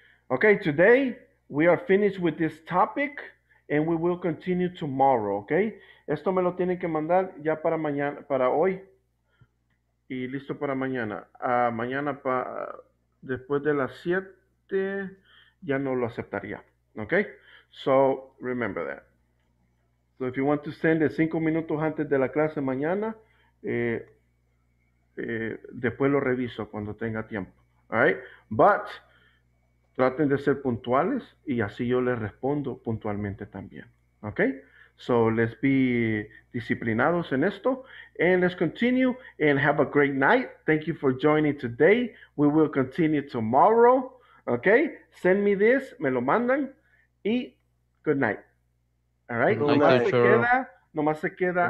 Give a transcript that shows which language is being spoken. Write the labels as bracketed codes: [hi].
[en] Okay, today we are finished with this topic. And we will continue tomorrow, okay? [es] Esto me lo tienen que mandar ya para mañana, para hoy. Y listo para mañana. Mañana después de las 7 ya no lo aceptaría, okay? [en] So, remember that. So, if you want to send it [es] 5 minutos antes de la clase mañana, después lo reviso cuando tenga tiempo, [en] all right? But... [es] traten de ser puntuales y así yo les respondo puntualmente también. [en] Ok. So let's be disciplinados en esto. And let's continue and have a great night. Thank you for joining today. We will continue tomorrow. Ok. Send me this. [es] Me lo mandan. [en] Y good night. All right. Good night, [es] nomás [en] teacher. [es] Nomás se queda.